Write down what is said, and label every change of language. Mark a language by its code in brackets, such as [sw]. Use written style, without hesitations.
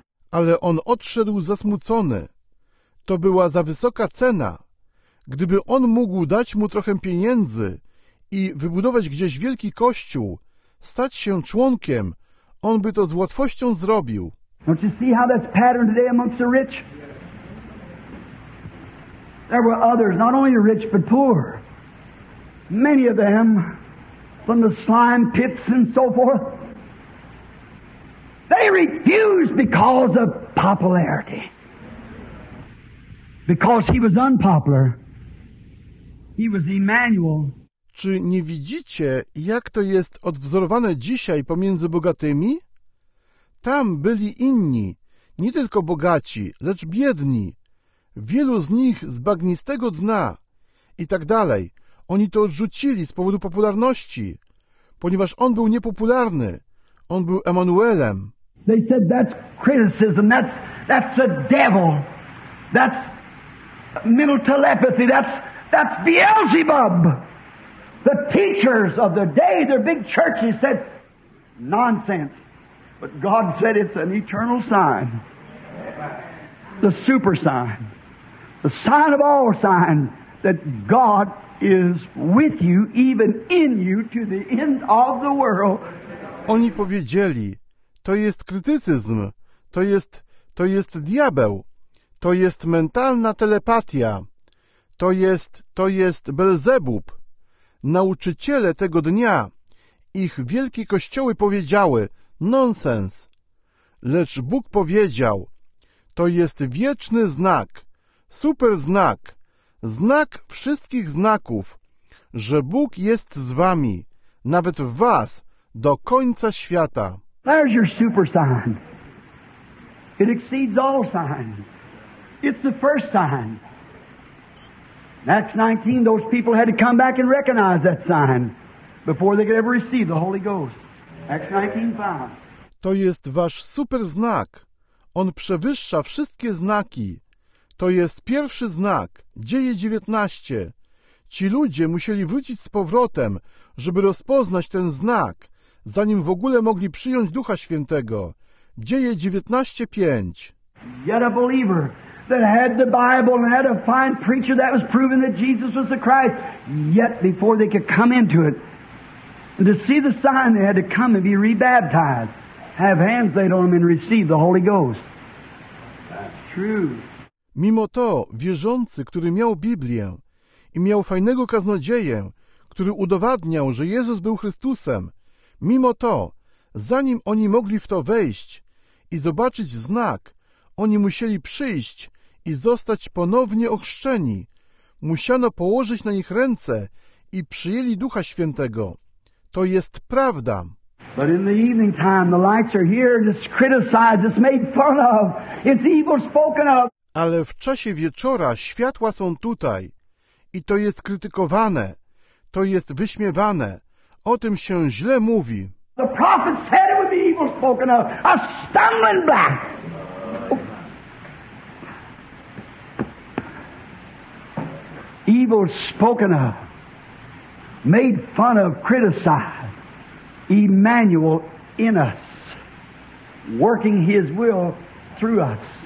[pl] Ale on odszedł zasmucony. To była za wysoka cena. Gdyby on mógł dać mu trochę pieniędzy i wybudować gdzieś wielki kościół, stać się członkiem, on by to z łatwością zrobił. [en] Don't you see how that's patterned today amongst the rich? There were others, not only rich, but poor. Many of them from the slime pits and so forth. They refused because of popularity. Because he was unpopular. He was Emmanuel. [pl] Czy nie widzicie, jak to jest odwzorowane dzisiaj pomiędzy bogatymi? Tam byli inni, nie tylko bogaci, lecz biedni. Wielu z nich z bagnistego dna i tak dalej. Oni to odrzucili z powodu popularności, ponieważ on był niepopularny. On był Emanuelem. [en] They said that's criticism, that's a devil, that's mental telepathy, that's Beelzebub. The teachers of the day, their big churches said, nonsense. But God said it's an eternal sign. The super sign. The sign of all signs. That God is with you, even in you, to the end of the world. [pl] Oni powiedzieli, to jest krytycyzm, to jest diabeł, to jest mentalna telepatia, to jest Belzebub. Nauczyciele tego dnia, ich wielkie kościoły powiedziały, nonsens. Lecz Bóg powiedział, to jest wieczny znak, super znak, znak wszystkich znaków, że Bóg jest z wami, nawet w was, do końca świata. [en] There's your super sign. It exceeds all signs. It's the first sign. In Acts 19, those people had to come back and recognize that sign before they could ever receive the Holy Ghost. Acts 19:5. [pl] To jest wasz super znak. On przewyższa wszystkie znaki. To jest pierwszy znak, Dzieje 19. Ci ludzie musieli wrócić z powrotem, żeby rozpoznać ten znak, zanim w ogóle mogli przyjąć Ducha Świętego. Dzieje 19:5. [en] Yet a believer that had the Bible and had a fine preacher that was proving that Jesus was the Christ, yet before they could come into it, and to see the sign, they had to come and be rebaptized, have hands laid on them and receive the Holy Ghost. That's true. [pl] Mimo to wierzący, który miał Biblię i miał fajnego kaznodzieję, który udowadniał, że Jezus był Chrystusem, mimo to, zanim oni mogli w to wejść i zobaczyć znak, oni musieli przyjść i zostać ponownie ochrzczeni. Musiano położyć na nich ręce i przyjęli Ducha Świętego. To jest prawda. [en] But in the evening time, the lights are here, it's criticized, it's made fun of, it's evil spoken of. [pl] Ale w czasie wieczora światła są tutaj i to jest krytykowane, to jest wyśmiewane, o tym się źle mówi. [en] The prophet said it would be evil spoken of, a stumbling block. Evil spoken of, made fun of, criticized, Emmanuel in us, working his will through us.